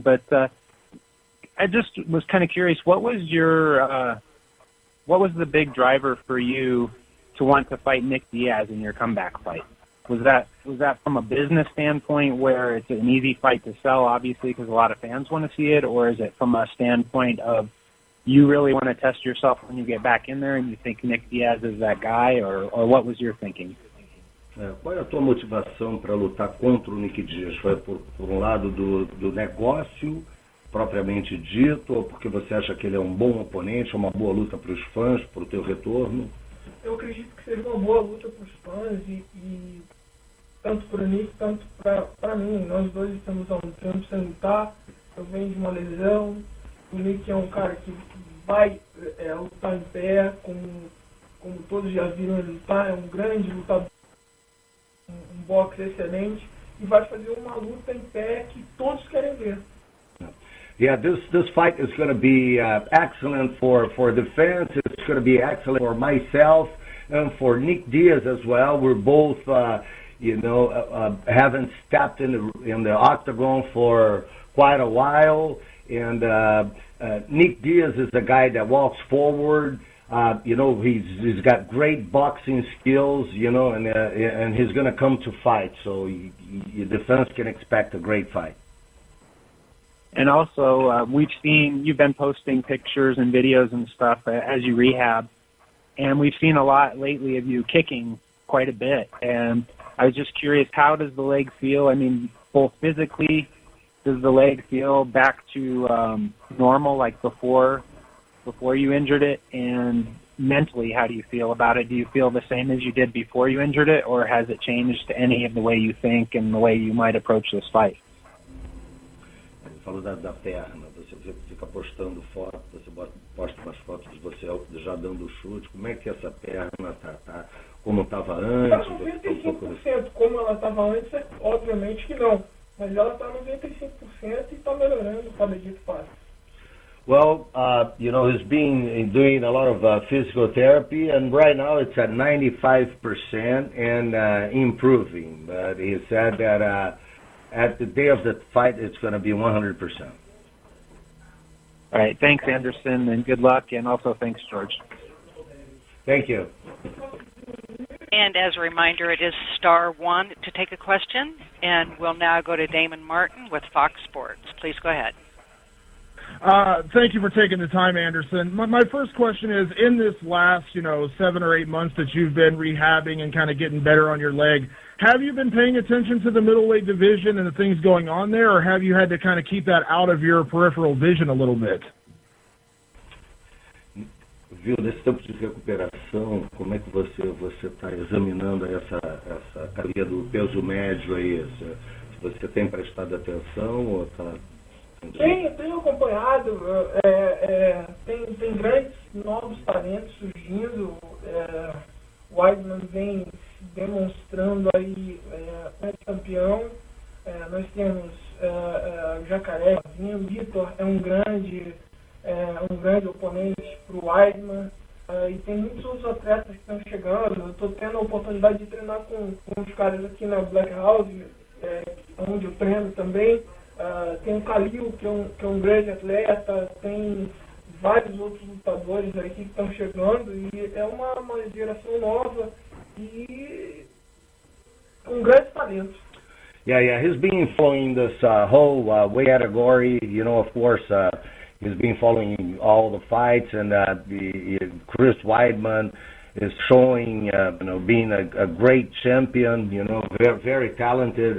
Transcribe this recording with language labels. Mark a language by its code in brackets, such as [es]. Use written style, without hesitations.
[en] But I just was kind of curious, what was your what was the big driver for you to want to fight Nick Diaz in your comeback fight? Was that from a business standpoint where it's an easy fight to sell, obviously, because a lot of fans want to see it? Or is it from a standpoint of you really want to test yourself when you get back in there and you think Nick Diaz is that guy? Or what was your thinking? [pt] Qual é a tua motivação para lutar contra o Nick Diaz? Foi por um lado do negócio propriamente dito, ou porque você acha que ele é um bom oponente, uma boa luta para os fãs, para o teu retorno? Eu acredito que seja uma boa luta para os fãs, e tanto para mim, tanto para mim. Nós dois estamos há um tempo sem lutar, eu venho de uma lesão, o Nick é um cara que vai lutar em pé, como todos já viram ele lutar, é um grande lutador, um boxe excelente, e vai fazer uma luta em pé que todos querem ver. [en] Yeah, this fight is going to be excellent for the fans. It's going to be excellent for myself and for Nick Diaz as well. We're both, haven't stepped in the octagon for quite a while. And Nick Diaz is a guy that walks forward. He's got great boxing skills, and he's going to come to fight. So the fans can expect a great fight. And also, you've been posting pictures and videos and stuff as you rehab, and we've seen a lot lately of you kicking quite a bit. And I was just curious, how does the leg feel? I mean, both physically, does the leg feel back to normal like before you injured it? And mentally, how do you feel about it? Do you feel the same as you did before you injured it, or has it changed any of the way you think and the way you might approach this fight? [pt] Falou da perna, você fica postando foto, você posta umas fotos de você já dando chute, como é que essa perna tá como estava antes? Está 95%, como ela estava antes, obviamente que não, mas ela está 95% e está melhorando cada dia que passa. [en] Well, he's been doing a lot of physical therapy, and right now it's at 95% and improving, but he said that at the day of the fight, it's going to be 100%. All right. Thanks, Anderson, and good luck. And also, thanks, George. Thank you. And as a reminder, it is star one to take a question. And we'll now go to Damon Martin with Fox Sports. Please go ahead. Thank you for taking the time, Anderson. My first question is, in this last, 7 or 8 months that you've been rehabbing and kind of getting better on your leg, have you been paying attention to the middleweight division and the things going on there, or have you had to kind of keep that out of your peripheral vision a little bit? [pt] Viu, nesse tempo de recuperação, como é que você está examinando essa carinha do peso médio aí? Se você tem prestado atenção ou está... Tenho acompanhado, tem grandes novos talentos surgindo, Wiseman vem demonstrando aí, é campeão, nós temos Jacaré vindo, Vitor é um grande oponente para o Wiseman, e tem muitos outros atletas que estão chegando. Eu estou tendo a oportunidade de treinar com os caras aqui na Black House, onde eu treino também. Tem o Khalil, que é um grande atleta, tem vários outros lutadores aí que estão chegando, e é uma geração nova e com grandes talentos. [en] Yeah, he's been following this whole weight category, of course, he's been following all the fights, and Chris Weidman is showing, you know, being a great champion, you know, very, very talented.